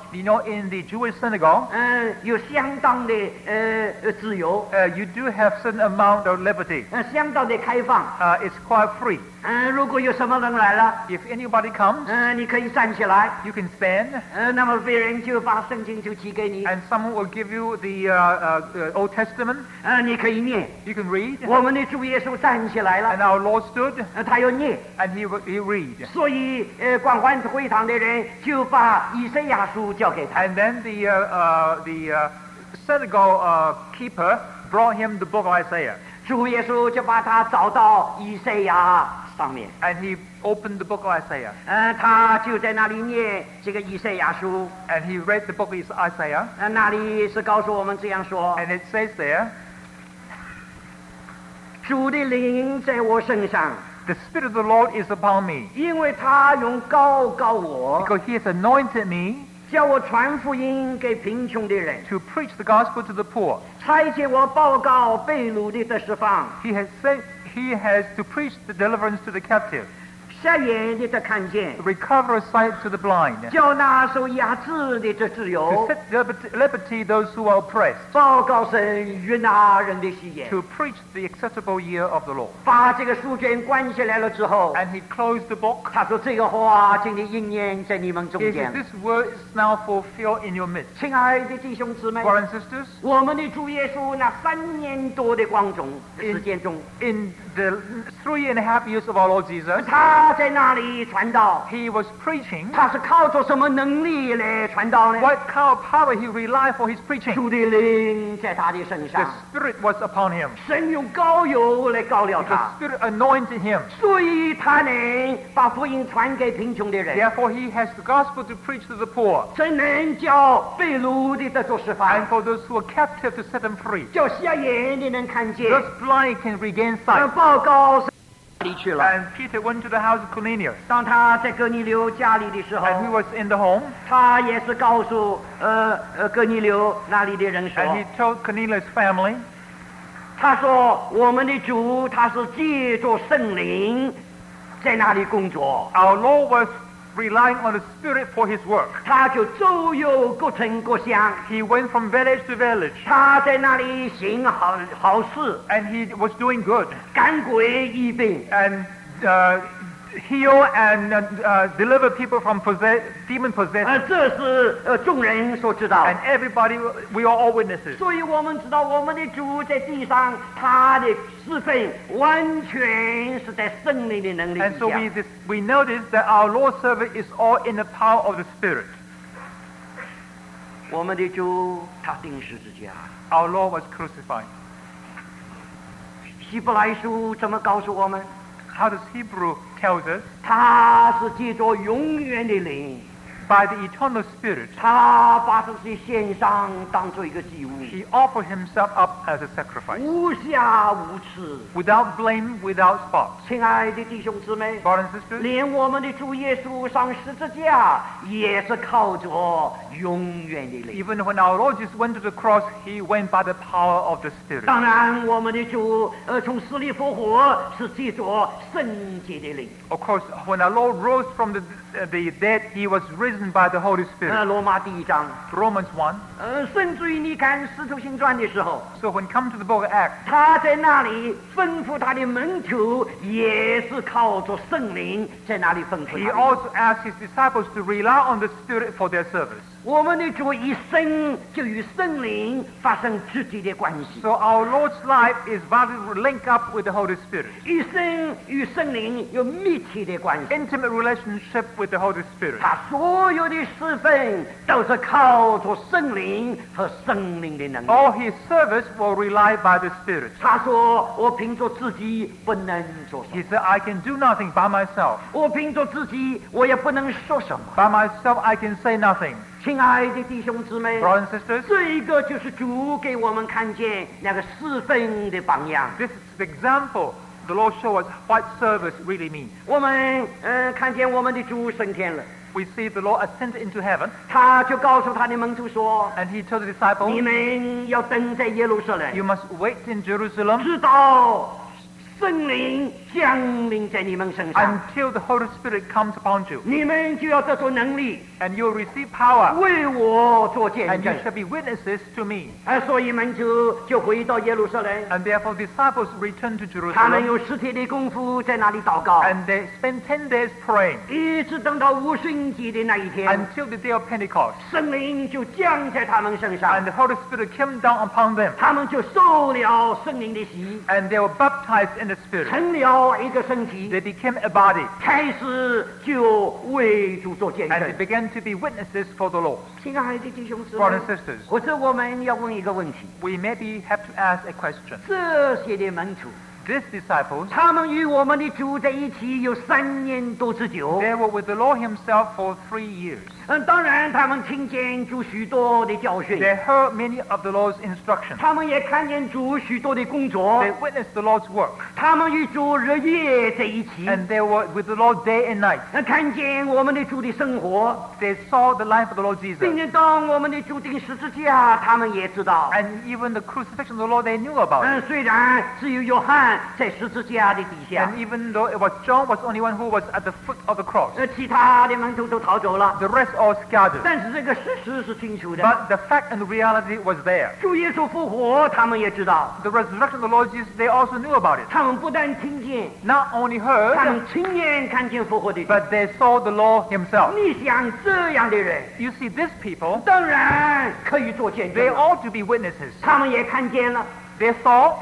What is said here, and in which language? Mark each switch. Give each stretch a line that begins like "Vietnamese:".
English: You know, in the Jewish synagogue,
Chinese: 有相当的自由。
English: You do have certain amount of liberty.
Chinese: 相当的开放。
English: It's quite free.
Chinese: 如果有什么人来了
English: If anybody comes,
Chinese: 你可以站起来
English: You can stand,
Chinese: 那么别人就把圣经就寄给你
English: And someone will give you the Old Testament,
Chinese: 你可以念
English: You can read,
Chinese: 我们的主耶稣站起来了
English: And our Lord stood,
Chinese: 他要念
English: And he read,
Chinese: 所以广欢会堂的人就把以赛亚书交给他
English: And then the synagogue keeper brought him the book of Isaiah,
Chinese: 主耶稣就把他找到以赛亚
English: And he opened the book of Isaiah.
Chinese: 他就在那里念这个以赛亚书。
English: And he read the book of Isaiah.
Chinese: 那里是告诉我们这样说。
English: And it says there,
Chinese: 主的灵在我身上。
English: The Spirit of the Lord is upon me.
Chinese: 因为他用膏膏我。
English: Because he has anointed me.
Chinese: 叫我传福音给贫穷的人。
English: To preach the gospel to the poor.
Chinese: 差遣我报告被掳的得释放。
English: He has sent. He has to preach the deliverance to the captive.
Chinese: 瞎眼的得看见。
English: Recover sight to the blind.
Chinese: 叫那受压制的得自由。
English: To set liberty those who are oppressed.
Chinese: 报告神悦纳人的喜宴。
English: To preach the acceptable year of the Lord.
Chinese: 把这个书卷关起来了之后。
English: And he closed the book.
Chinese: 他说这个话今天应验在你们中间。
English: He said, this word is now fulfilled in your midst.
Chinese: 亲爱的弟兄姊妹。
English: Brothers and sisters.
Chinese: 我们的主耶稣那三年多的光中时间中。
English: In the 3.5 years of our Lord Jesus.
Chinese: 他在那里传道
English: he was preaching
Chinese: 他是靠着什么能力来传道呢
English: what kind of power he relied for his preaching
Chinese: 主的灵在他的身上
English: the spirit was upon him
Chinese: 神用膏油来膏了他
English: the spirit anointed him
Chinese: 所以他能把福音传给贫穷的人
English: therefore he has the gospel to preach to the poor
Chinese: 神能叫被掳的得着释放
English: and for those who are captive to set them free
Chinese: 叫瞎眼的能看见
English: those blind can regain sight
Chinese: 报告神
English: And Peter went to the house of Cornelius.
Chinese: 当他在哥尼流家里的时候
English: And he was in the home.
Chinese: 他也是告诉哥尼流那里的人说
English: And he told Cornelius family.
Chinese: 他说我们的主他是借着圣灵在那里工作
English: Our Lord was relying on the Spirit for his work.
Chinese: 他就周游各城各乡
English: He went from village to village.
Chinese: 他在那里行好事
English: And he was doing good.
Chinese: 赶鬼医病
English: And heal and deliver people from demon possession.
Chinese: 这是众人所知道
English: And everybody, we are all witnesses.
Chinese: 所以我们知道我们的主在地上他的侍奉完全是在圣灵的能力下
English: And so we notice that our Lord's servant is all in the power of the Spirit.
Chinese: 我们的主他钉十字架
English: Our Lord was crucified.
Chinese: 希伯来书怎么告诉我们
English: How does Hebrew tell us?
Chinese: 他是借着永远的灵
English: By the eternal spirit
Chinese: 他把自己献上当作一个祭物
English: He offered himself up as a sacrifice
Chinese: 无瑕无疵
English: Without blame, without spot
Chinese: 亲爱的弟兄姊妹
English: Brothers and sisters
Chinese: 连我们的主耶稣上十字架也是靠着永远的灵
English: Even when our Lord Jesus went to the cross He went by the power of the Spirit
Chinese: 当然我们的主从死里复活是借着圣洁的灵
English: Of course when our Lord rose from the dead He was risen by the Holy Spirit
Chinese: 罗马第一章
English: Romans 1
Chinese: 甚至于你看使徒行传的时候
English: So when come to the book of Acts
Chinese: 他在那里吩咐他的门徒也是靠着圣灵在那里吩咐他
English: He also asked his disciples to rely on the Spirit for their service
Chinese: 我们的主一生就与圣灵发生直接的关系。
English: So our Lord's life is very linked up with the Holy Spirit.
Chinese: 一生与圣灵有密切的关系。
English: Intimate relationship with the Holy Spirit.
Chinese: 他所有的侍奉都是靠着圣灵和圣灵的能力。
English: All his service will rely by the Spirit.
Chinese: 他说：“我凭着自己不能做什么。”
English: He said, "I can do nothing by myself."
Chinese: 我凭着自己，我也不能说什么。
English: By myself, I can say nothing.
Chinese: 亲爱的弟兄姊妹
English: Brothers and sisters,
Chinese: 这一个就是主给我们看见那个侍奉的榜样
English: This is the example the Lord showed us what service really means
Chinese: 我们、看见我们的主升天了
English: We see the Lord ascend into heaven
Chinese: 他就告诉他的门徒说
English: And he told the disciples
Chinese: 你们要等在耶路撒冷
English: You must wait in Jerusalem
Chinese: 直到圣灵降临在你们身上
English: Until the Holy Spirit comes upon you
Chinese: 你们就要得着能力
English: And you will receive power
Chinese: 为我做见证
English: And you shall be witnesses to me
Chinese: 所以门徒就回到耶路撒冷
English: And therefore disciples return to Jerusalem
Chinese: 他们有十天的功夫在那里祷告
English: And they spend 10 days praying
Chinese: 一直等到五旬节的那一天
English: Until the day of Pentecost
Chinese: 圣灵就降在他们身上
English: And the Holy Spirit came down upon them
Chinese: 他们就受了圣灵的洗
English: And they were baptized in the Spirit
Chinese: 成了一个身体
English: they became a body
Chinese: 开始就为主做见证
English: and they began to be witnesses for the Lord
Chinese: 亲爱的弟兄姊妹
English: brothers and sisters
Chinese: 或者我们要问一个问题
English: we maybe have to ask a question
Chinese: 这些的门徒
English: these disciples
Chinese: 他们与我们的主在一起有三年多之久
English: they were with the Lord himself for 3 years
Chinese: 当然他们听见主许多的教训
English: they heard many of the Lord's instructions
Chinese: 他们也看见主许多的工作
English: they witnessed the Lord's work
Chinese: 他们与主日夜在一起
English: and they were with the Lord day and night
Chinese: 看见我们的主的生活
English: they saw the life of the Lord Jesus
Chinese: 并且当我们的主钉十字架他们也知道
English: and even the crucifixion of the Lord they knew about it
Chinese: 虽然只有约翰在十字架的底下
English: and even though it was John was the only one who was at the foot of the cross
Chinese: 其他的门徒都逃走了
English: the rest all scattered
Chinese: 但是这个事实是清楚的
English: but the fact and the reality was there
Chinese: 主耶稣复活他们也知道
English: the resurrection of the Lord Jesus they also knew about it
Chinese: 他们不但听见
English: not only heard
Chinese: 他们亲眼看见复活的
English: but they saw the Lord himself
Chinese: 你想这样的人
English: you see these people
Chinese: 当然可以做见证
English: they ought to be witnesses
Chinese: 他们也看见了
English: they saw